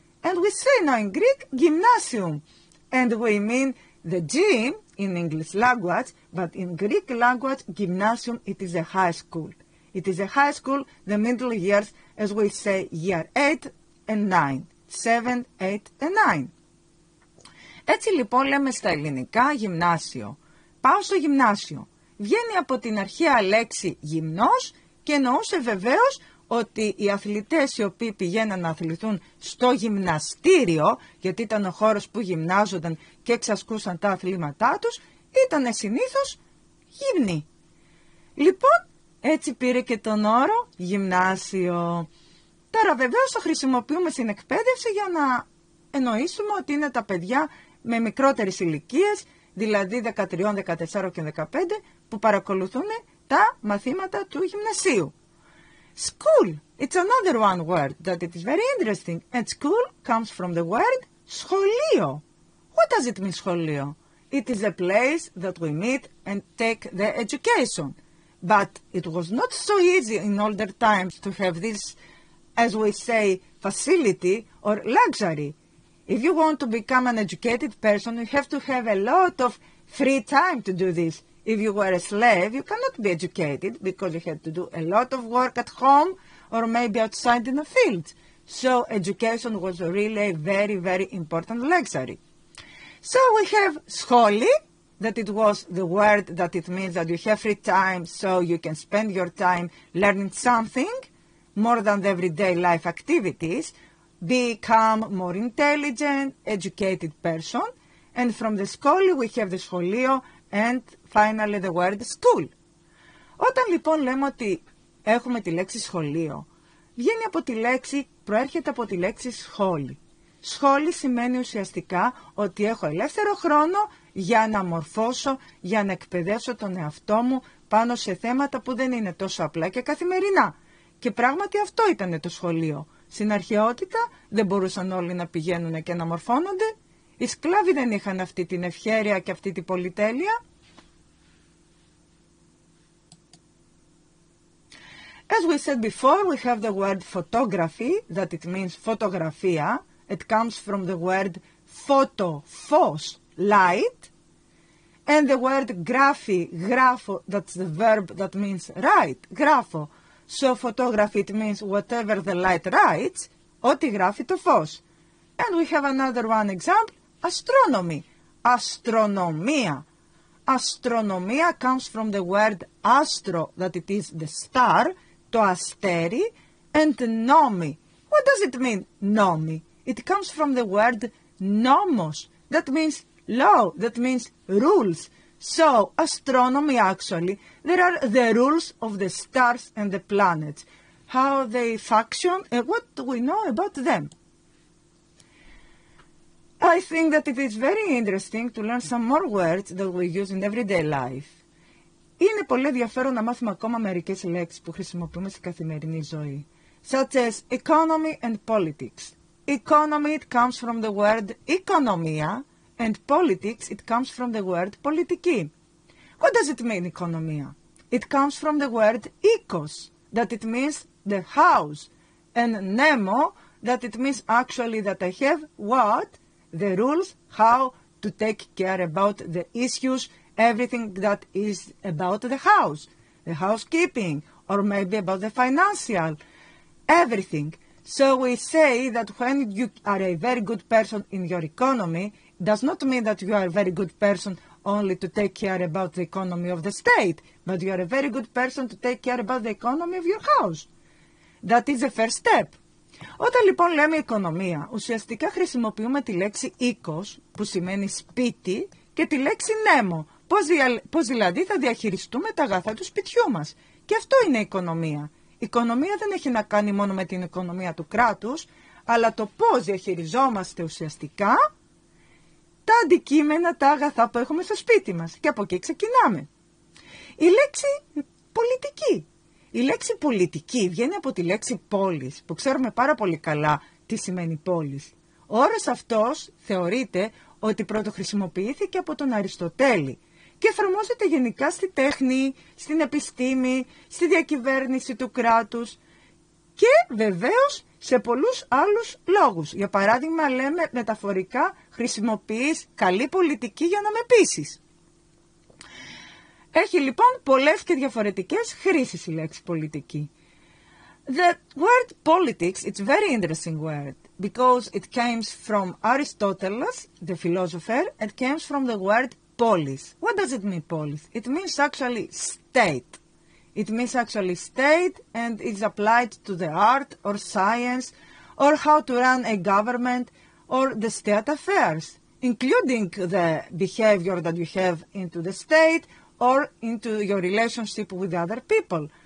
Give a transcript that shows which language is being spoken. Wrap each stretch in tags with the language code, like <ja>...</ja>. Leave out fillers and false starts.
<en>And we say now in Greek, gymnasium, and we mean the gym in English language, but in Greek language, gymnasium, it is a high school. It is a high school, the middle years, as we say, year 8 and 9, 7, 8 and 9.</en> <el>Έτσι λοιπόν λέμε στα ελληνικά γυμνάσιο. Πάω στο γυμνάσιο. Βγαίνει από την αρχαία λέξη γυμνός και εννοούσε βεβαίως ότι οι αθλητές οι οποίοι πηγαίναν να αθληθούν στο γυμναστήριο, γιατί ήταν ο χώρος που γυμνάζονταν και εξασκούσαν τα αθλήματά τους, ήταν συνήθως γυμνοί. Λοιπόν, έτσι πήρε και τον όρο γυμνάσιο. Τώρα βεβαίως το χρησιμοποιούμε στην εκπαίδευση για να εννοήσουμε ότι είναι τα παιδιά με μικρότερες ηλικίες, δηλαδή 13, 14 και 15, που παρακολουθούν τα μαθήματα του γυμνασίου.</el> <en>School, it's another one word that it is very interesting. And school comes from the word σχολείο. What does it mean, σχολείο? It is a place that we meet and take the education. But it was not so easy in older times to have this, as we say, facility or luxury. If you want to become an educated person, you have to have a lot of free time to do this. If you were a slave, you cannot be educated because you had to do a lot of work at home or maybe outside in the field. So education was really a very, very important luxury. So we have σχολή, that it was the word that it means that you have free time so you can spend your time learning something more than the everyday life activities. Become more intelligent, educated person. And from the σχολή we have the σχολείο and finally the word school.</en> <el>Όταν λοιπόν λέμε ότι έχουμε τη λέξη σχολείο, βγαίνει από τη λέξη, προέρχεται από τη λέξη σχόλη. Σχόλη σημαίνει ουσιαστικά ότι έχω ελεύθερο χρόνο για να μορφώσω, για να εκπαιδεύσω τον εαυτό μου πάνω σε θέματα που δεν είναι τόσο απλά και καθημερινά. Και πράγματι αυτό ήταν το σχολείο. Στην αρχαιότητα δεν μπορούσαν όλοι να πηγαίνουν και να μορφώνονται. Οι σκλάβοι δεν είχαν αυτή την ευχέρεια και αυτή την πολυτέλεια.</el> <en>As we said before, we have the word photography, that it means φωτογραφία. It comes from the word photo, φως, light. And the word γράφει, γράφω, that's the verb that means write, γράφω. So photography, it means whatever the light writes,</en> <el>ό,τι γράφει το φως.</el> <en>And we have another one example, astronomy, αστρονομία. Αστρονομία comes from the word astro, that it is the star,</en> <el>το αστέρι,</el> <en>and νόμι. What does it mean, νόμι? It comes from the word νόμος, that means law, that means rules. So, astronomy actually, there are the rules of the stars and the planets. how they function, and what do we know about them. I think that it is very interesting to learn some more words that we use in everyday life.</en> <el>Είναι πολύ ενδιαφέρον να μάθουμε ακόμα μερικές λέξεις που χρησιμοποιούμε στην καθημερινή ζωή.</el> <en>Such as economy and politics. Economy, it comes from the word οικονομία, and politics, it comes from the word πολιτική. What does it mean, οικονομία? It comes from the word οίκος, that it means the house, and νέμο, that it means actually that I have what? The rules, how to take care about the issues, everything that is about the house, the housekeeping, or maybe about the financial, everything. So we say that when you are a very good person in your economy, it does not mean that you are a very good person only to take care about the economy of the state, but you are a very good person to take care about the economy of your house. That is the first step.</en> <el>Όταν λοιπόν λέμε οικονομία, ουσιαστικά χρησιμοποιούμε τη λέξη οίκος, που σημαίνει σπίτι, και τη λέξη νέμο, πώς δηλαδή θα διαχειριστούμε τα αγαθά του σπιτιού μας. Και αυτό είναι οικονομία. Οικονομία δεν έχει να κάνει μόνο με την οικονομία του κράτους, αλλά το πώς διαχειριζόμαστε ουσιαστικά τα αντικείμενα, τα αγαθά που έχουμε στο σπίτι μας. Και από εκεί ξεκινάμε. Η λέξη πολιτική. Η λέξη πολιτική βγαίνει από τη λέξη πόλης, που ξέρουμε πάρα πολύ καλά τι σημαίνει πόλης. Ο όρος αυτός θεωρείται ότι πρώτο χρησιμοποιήθηκε από τον Αριστοτέλη και εφαρμόζεται γενικά στη τέχνη, στην επιστήμη, στη διακυβέρνηση του κράτους και βεβαίως σε πολλούς άλλους λόγους. Για παράδειγμα λέμε μεταφορικά χρησιμοποιείς καλή πολιτική για να με πείσεις. Έχει λοιπόν πολλές και διαφορετικές χρήσεις η λέξη πολιτική.</el> <en>The word politics, it's a very interesting word, because it came from Aristoteles, the philosopher, and came from the word polis. What does it mean, polis? It means actually state. It means actually state, and it's applied to the art or science, or how to run a government, or the state affairs, including the behavior that you have into the state, or into your relationship with other people.</en>